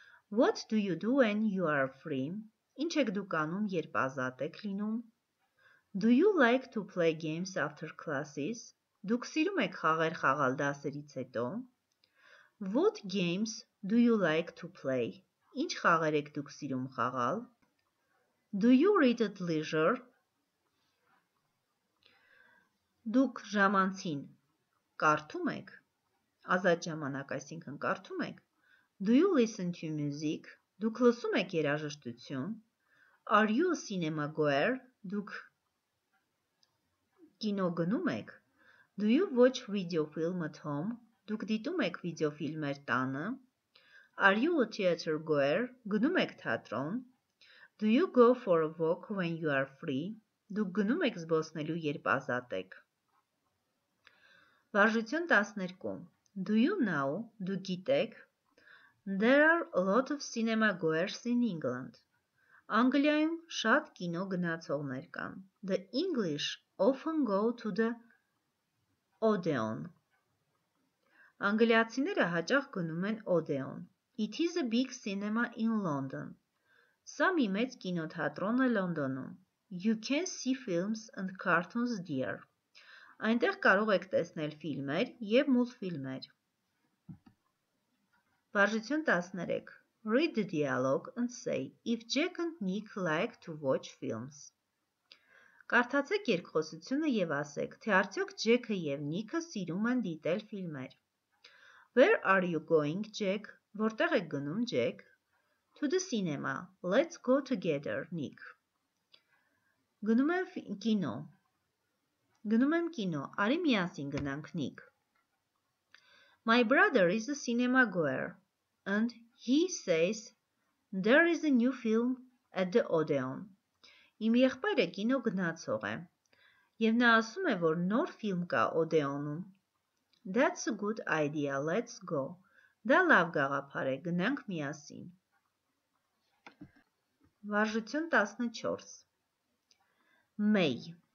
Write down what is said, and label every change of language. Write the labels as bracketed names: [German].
[English] What do you do when you are free? [Armenian] Ինչ եք դուք անում, երբ ազատ եք լինում? [English] Do you like to play games after classes? [Armenian] Դուք սիրում եք խաղեր խաղալ դասերից հետո? [English] What games do you like to play? [Armenian] Ինչ խաղեր եք դուք սիրում խաղալ? [English] Do you read at leisure? [Armenian] Դուք ժամանցին կարդում եք? Ազատ ժամանակ, այսինքն կարդում եք? [English] Do you listen to music? [Armenian] Դուք լսում եք երաժշտություն? [English] Are you a cinema goer? [Armenian] Դուք կինո գնում եք? [English] Do you watch video film at home? [Armenian] Դուք դիտում եք վիդեոֆիլմեր տանը? [English] Are you a theater goer? [Armenian] Գնում եք թատրոն? [English] Do you go for a walk when you are free? [Armenian] Դուք գնում եք զբոսնելու, երբ ազատ եք. Վարժություն 12. [English] Do you know? [Armenian] Դուք գիտեք? [English] There are a lot of cinema goers in England. [Armenian] Անգլիայում շատ կինո գնացողներ կան. [English] The English often go to the Odeon. [Armenian] Անգլիացիները հաճախ գնում են Odeon. [English] It is a big cinema in London. [Armenian] Սա մի մեծ կինոթատրոն է Լոնդոնում. [English] You can see films and cartoons there. [Armenian] Այնտեղ կարող եք տեսնել ֆիլմեր և մուլտֆիլմեր. Վարժություն 13. [English] Read the dialogue and say if Jack and Nick like to watch films. [Armenian] Կարդացեք երկխոսությունը և ասեք, թե արդյոք Jack-ը և Nick-ը սիրում են դիտել ֆիլմեր. [English] Where are you going, Jack? [Armenian] Որտեղ եք գնում, Jack? [English] To the cinema. Let's go together, Nick. [Armenian] Գնում եմ կինո. Գնում եմ կինո. Արի միասին գնանք, Nick. [English] My brother is a cinema goer, and he says there is a new film at the Odeon. [Armenian] Իմ եղբայրը կինո գնացող է, և նա ասում է, որ նոր ֆիլմ կա Odeon-ում. [English] That's a good idea. Let's go. [Armenian] Դա լավ գաղափար է. Գնանք միասին. Վարժություն 14. May.